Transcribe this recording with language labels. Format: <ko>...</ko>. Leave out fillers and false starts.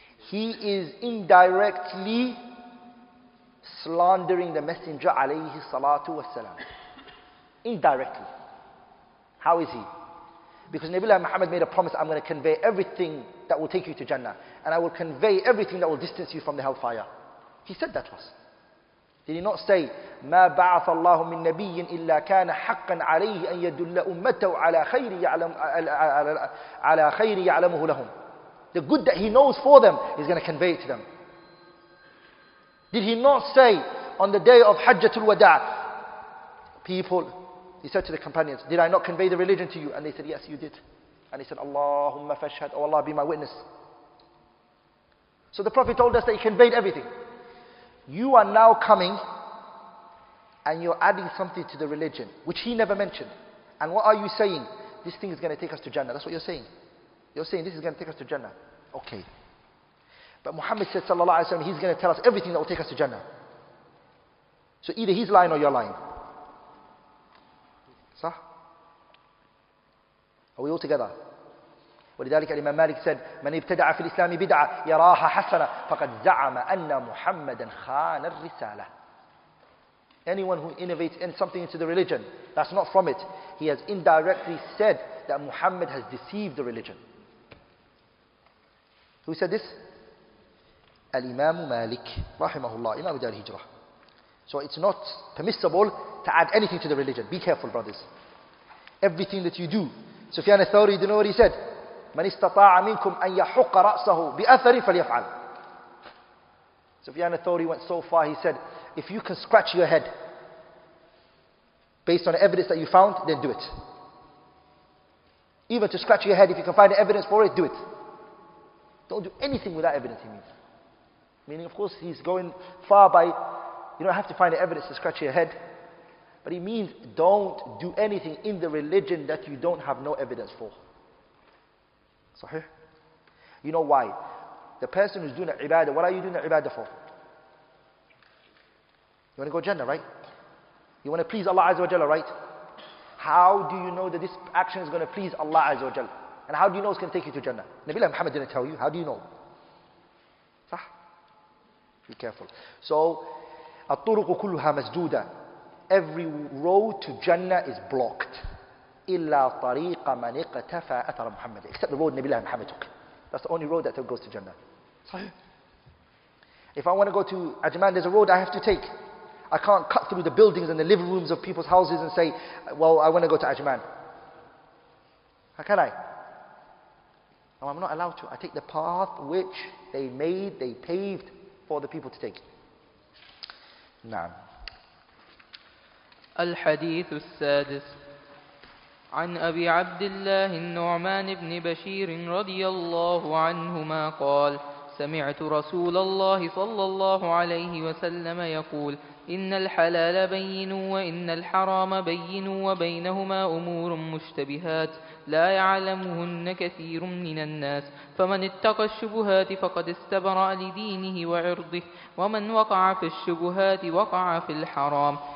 <en>He is indirectly slandering the Messenger alayhi salatu wasalam. Indirectly. How is he? Because Nabi Muhammad made a promise, I'm going to convey everything that will take you to Jannah. And I will convey everything that will distance you from the hellfire. He said that to us. Did he not say,</en> <ar>مَا بَعَثَ اللَّهُ مِن نَبِيٍّ إِلَّا كَانَ حَقًّا عَلَيْهِ أَن يَدُلَّ أُمَّتَهُ عَلَى خَيْرِ يَعْلَمُهُ لَهُمْ.</ar> <en>The good that he knows for them, he's going to convey it to them. Did he not say, on the day of Hajjatul Wada', people, he said to the companions, did I not convey the religion to you? And they said, yes, you did. And he said, Allahumma fashhad, oh Allah, be my witness. So the Prophet told us that he conveyed everything. You are now coming and you're adding something to the religion, which he never mentioned. And what are you saying? This thing is going to take us to Jannah. That's what you're saying. You're saying this is going to take us to Jannah. Okay. But Muhammad said, sallallahu alayhi wa sallam, he's going to tell us everything that will take us to Jannah. So either he's lying or you're lying. Sah? Are we all together?</en> <ar>ولذلك الإمام مالك</ar> <en>said</en> <ar>من ابتدع في الإسلام بدعة يراها حسنة فقد زعم أن محمدا خان الرسالة.</ar> <en>Anyone who innovates in something into the religion that's not from it, he has indirectly said that Muhammad has deceived the religion. Who said this?</en> <ar>الإمام مالك رحمه الله إمام دار الهجرة.</ar> <en>So it's not permissible to add anything to the religion. Be careful, brothers. Everything that you do. Sufyan al-Thawri, do you know what he said?</en> <ar>من استطاع منكم أن يحق رأسه بأثر فليفعل.</ar> <en>Sufyan al-Thawri went so far, he said, if you can scratch your head based on the evidence that you found, then do it. Even to scratch your head, if you can find the evidence for it, do it. Don't do anything without evidence, he means. Meaning, of course, he's going far by, you don't have to find the evidence to scratch your head. But he means, don't do anything in the religion that you don't have no evidence for. Sahih? You know why? The person who's doing the ibadah, what are you doing the ibadah for? You want to go Jannah, right? You want to please Allah Azza wa Jalla, right? How do you know that this action is going to please Allah Azza wa Jalla? And how do you know it's going to take you to Jannah? Nabi Muhammad didn't tell you. How do you know? Sah? Be careful. So,</en> <ar>الطرق كلها مسدودة.</ar> <en>Every road to Jannah is blocked.</en> <ar>إِلَّا طَرِيقَ مَنِ اقْتَفَى أَثَرَ مُحَمَّدٍ.</ar> <en>Except the road Nabi Muhammad took. That's the only road that goes to Jannah. Sahih. If I want to go to Ajman, there's a road I have to take. I can't cut through the buildings and the living rooms of people's houses and say, well, I want to go to Ajman. How can I? No, I'm not allowed to. I take the path which they made, they paved for the people to take.</en> <ar>Naam. الحديث السادس عن أبي عبد الله النعمان بن بشير رضي الله عنهما قال سمعت رسول الله صلى الله عليه وسلم يقول إن الحلال بين وإن الحرام بين وبينهما أمور مشتبهات لا يعلمهن كثير من الناس فمن اتقى الشبهات فقد استبرأ لدينه وعرضه ومن وقع في الشبهات وقع في الحرام</ar>